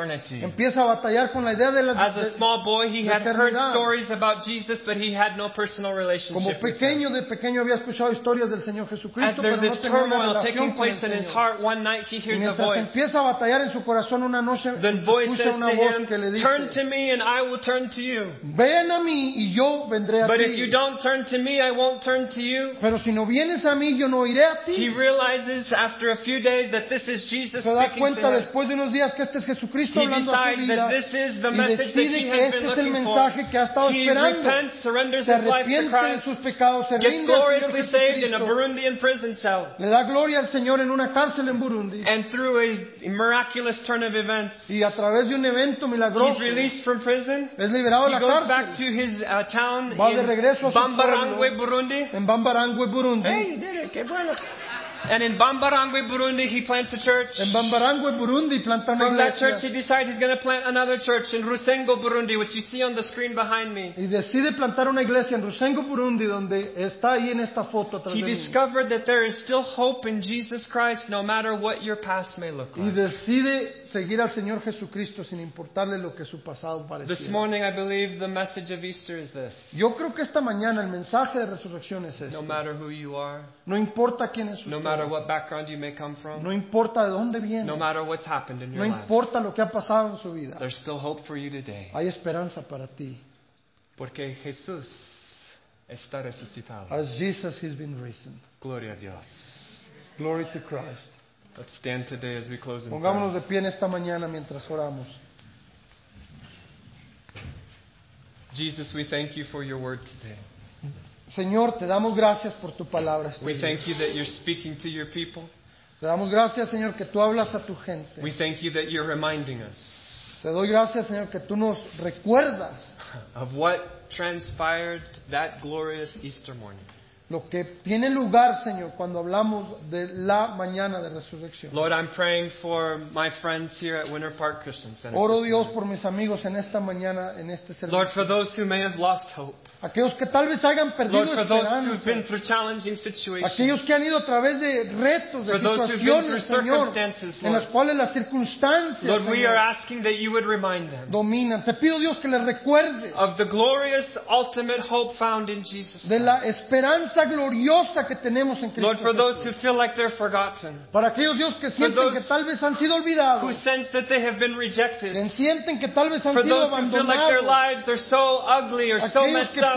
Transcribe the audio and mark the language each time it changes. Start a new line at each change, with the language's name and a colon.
Spanish: Empieza a batallar con la idea de la eternidad.
English: As a small boy, he had heard stories about Jesus, but he had no personal relationship.
Spanish: Como pequeño, de pequeño había escuchado historias del Señor Jesucristo, pero no tenía una relación con el Señor.
English: Taking place in his heart, one night he hears a voice.
Spanish: Mientras empieza a batallar en su corazón una noche, escucha una voz que le dice:
English: "Turn to me, and I will turn to you."
Spanish: Ven a mí y yo vendré a ti.
English: But if you don't turn to me, I won't turn to you.
Spanish: Pero si no vienes a mí, yo no iré a ti.
English: He realizes after a few days that this is Jesus.
Spanish: Se da cuenta después de unos días que este es Jesucristo hablando a su vida.
English: He decides that this is the message that he has been looking for.
Spanish: Y decide que este es el mensaje que ha estado esperando.
English: He repents, surrenders his life to Christ.
Spanish: Se arrepiente de sus pecados, se rinde al Señor Jesucristo.
English: Gets gloriously saved in a Burundian prison cell.
Spanish: Le da gloria al Señor en una cárcel en Burundi.
English: And through a miraculous turn of events.
Spanish: Y a través de un evento milagroso.
English: He's released from prison.
Spanish: Es liberado de la cárcel.
English: He goes back to his town
Spanish: va de regreso a su Bambarangwe, Burundi. En Bambarangwe, Burundi.
English: Hey,
Spanish: qué bueno.
English: And in Bambarangwe, Burundi, he plants a church.
Spanish: En Bambarangwe, Burundi, planta una
English: From
Spanish: iglesia.
English: That church, he decides he's going to plant another church in Rusengo, Burundi, which you see on the screen behind me.
Spanish: Y decide plantar una iglesia en Rusengo, Burundi, donde está ahí en esta foto.
English: He discovered that there is still hope in Jesus Christ, no matter what your past may look like.
Spanish: Y decide seguir al Señor Jesucristo sin importarle lo que su pasado pareciera.
English: This morning, I believe the message of Easter is this.
Spanish: Yo creo que esta mañana el mensaje de resurrección es este.
English: No matter who you are.
Spanish: No importa quién es usted.
English: No matter what background you may come from.
Spanish: No importa de dónde viene.
English: No matter what's happened in your life.
Spanish: No importa lo que ha pasado en su vida.
English: There's still hope for you today.
Spanish: Hay esperanza para ti. Porque Jesús está resucitado.
English: As Jesus has been risen.
Spanish: Gloria a Dios.
English: Glory to Christ. Let's stand today as we close in
Spanish: Pongámonos
English: prayer.
Spanish: De pie en esta mañana mientras oramos.
English: Jesus, we thank you for your word today.
Spanish: Señor, te damos gracias por tu palabra.
English: We thank you that you're speaking to your people.
Spanish: Te damos gracias, Señor, que tú hablas a tu gente.
English: We thank you that you're reminding us.
Spanish: Te doy gracias, Señor, que tú nos recuerdas
English: of what transpired that glorious Easter morning.
Spanish: Lo que tiene lugar, Señor, cuando hablamos de la mañana de resurrección.
English: Lord, I'm praying for my friends here at Winter Park Christian Center.
Spanish: Oro Dios por mis amigos en esta mañana, en este servicio.
English: Lord, for those who may have lost hope.
Spanish: Aquellos que tal vez hayan perdido esperanza.
English: Lord, for those who've been through challenging situations.
Spanish: Aquellos que han ido a través de retos, de situaciones, Señor, en las cuales las circunstancias,
English: Lord, we are asking that you would remind them.
Spanish: Domina. Te pido, Dios, que les recuerde.
English: Of the glorious, ultimate hope found in Jesus.
Spanish: De la esperanza gloriosa que tenemos en Cristo.
English: Lord, for those who feel like they're forgotten.
Spanish: Para aquellos, Dios, que sienten que tal vez han sido olvidados.
English: Who sense that they have been rejected.
Spanish: Que sienten que tal vez han sido abandonados.
English: For those who feel like their lives are so ugly or so messed up.